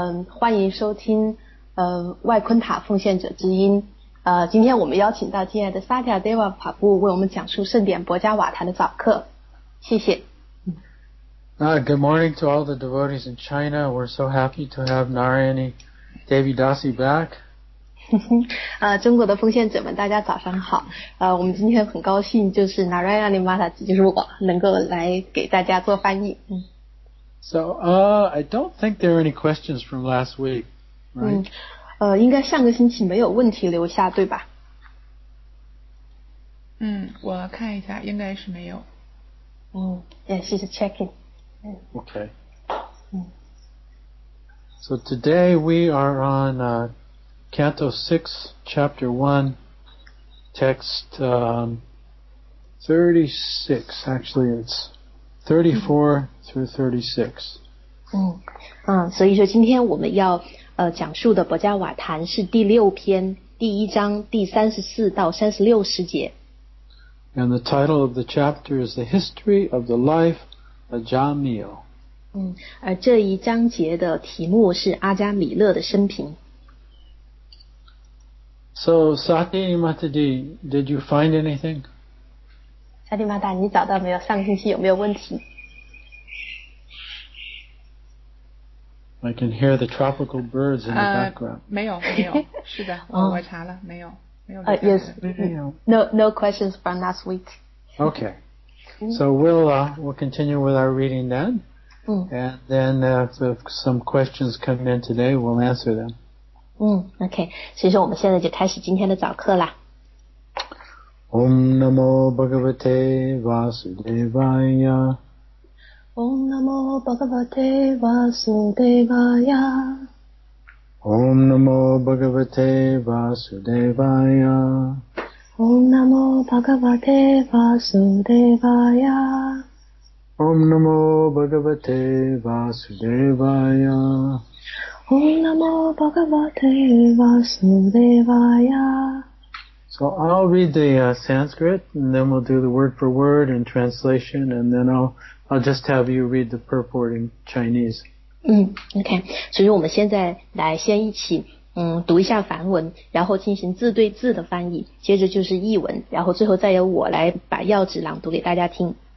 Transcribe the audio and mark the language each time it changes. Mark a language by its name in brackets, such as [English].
[Chinese] 欢迎收听外昆塔奉献者之音。今天我们邀请到亲爱的萨迦德瓦法布为我们讲述圣典博加瓦坦的早课。谢谢。 [English] Good morning to all the devotees in China. We're so happy to have Narayani Devi Dasi back. [Chinese] 中国的奉献者们，大家早上好。我们今天很高兴，就是 Narayani Mataji 就是我能够来给大家做翻译。 [English] I don't think there are any questions from last week, right? [Chinese] 应该上个星期没有问题留下，对吧？我看一下，应该是没有。 [English] She's checking. Okay. So today we are on Canto 6, Chapter 1, Text 36. Actually, it's 34 through 36. [Chinese] 所以说今天我们要讲述的博加瓦坦是第六篇第一章第34到36十节。 [English] And the title of the chapter is The History of the Life Ajamil. [Chinese] 而这一章节的题目是阿加米勒的生平。 [English] So, Satyani Mataji, did you find anything? [Chinese] Satyani Mataji, 你找到没有？上个星期有没有问题？ [English] I can hear the tropical birds in the background. [Chinese] 没有，没有，是的，我查了，没有。 [English] Yes, no questions from last week. Okay, so we'll continue with our reading then, and then if some questions come in today, we'll answer them. [Chinese] Okay, 所以说我们现在就开始今天的早课啦。 [Sanskrit] Om Namo Bhagavate Vasudevaya. Om Namo Bhagavate Vasudevaya. Om Namo Bhagavate Vasudevaya. Om Namo Bhagavate Vasudevaya. Om Namo Bhagavate Vasudevaya. Om Namo Bhagavate Vasudevaya. [English] So I'll read the Sanskrit, and then we'll do the word for word and translation, and then I'll just have you read the purport in Chinese. [Chinese] OK, 所以我们现在来先一起读一下梵文，然后进行字对字的翻译，接着就是译文，然后最后再由我来把要旨朗读给大家听。